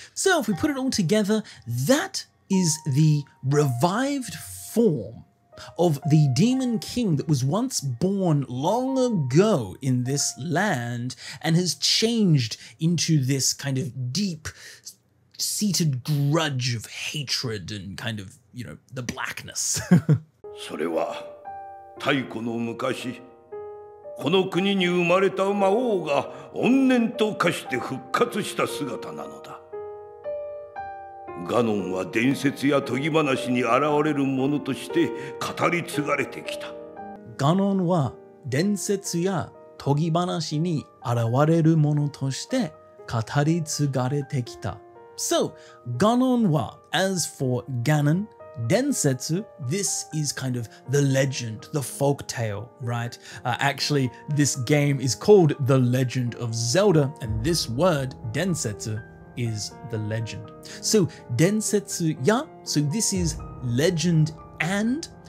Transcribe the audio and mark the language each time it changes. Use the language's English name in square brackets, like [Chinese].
[English] So, if we put it all together, that is the revived form of the demon king that was once born long ago in this land and has changed into this kind of deep-seated grudge of hatred and kind of, you know, the blackness. [Japanese] それは太古の昔この国に生まれた魔王が怨念と化して復活した姿なのだ。ガノンは伝説や研ぎ話に現れるものとして語り継がれてきた。ガノンは伝説や研ぎ話に現れるものとして語り継がれてきた。 [English] So, ガノンは、as for Ganon, 伝説, this is kind of the legend, the folktale, right? Actually, this game is called The Legend of Zelda, and this word, 伝説, is the legend. So, 伝説や, so this is legend and,